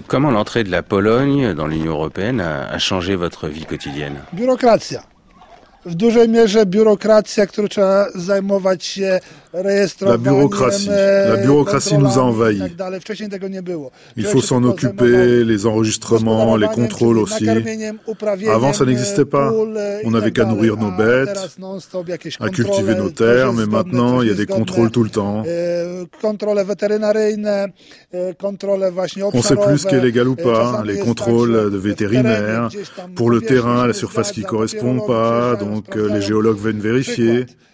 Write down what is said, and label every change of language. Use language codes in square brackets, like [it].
[fr] Comment l'entrée de la Pologne dans l'Union européenne a changé votre vie quotidienne ? Bureaucratie. [pl] W dużej mierze biurokracja, którą trzeba zajmować się rejestrowaniem. [fr] La bureaucratie nous a envahi. [pl] Tak dalej. Wcześniej tego nie było. [fr] Il faut s'en occuper, les enregistrements, les contrôles aussi. Avant, ça n'existait pas. On n'avait qu'à nourrir nos bêtes, à cultiver nos terres, mais maintenant, il y a des contrôles tout le temps. [pl] Kontrole weterynaryjne, kontrole właśnie obszarowe. [fr] On ne sait plus ce qui est légal ou pas, les contrôles de vétérinaire, pour le terrain, la surface qui ne correspond pas. Donc les géologues viennent vérifier.